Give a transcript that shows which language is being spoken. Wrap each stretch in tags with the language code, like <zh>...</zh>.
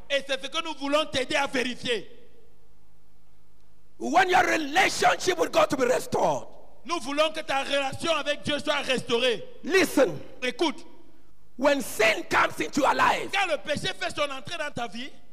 <fr>Et c'est ce que nous voulons t'aider à vérifier.</fr> <en>We want your relationship with God to be restored.</en> <fr>Nous voulons que ta relation avec Dieu soit restaurée.</fr> <en>Listen.</en> <fr>Écoute.</fr> <en>When sin comes into your life.</en> <fr>Quand le péché fait son entrée dans ta vie.</fr>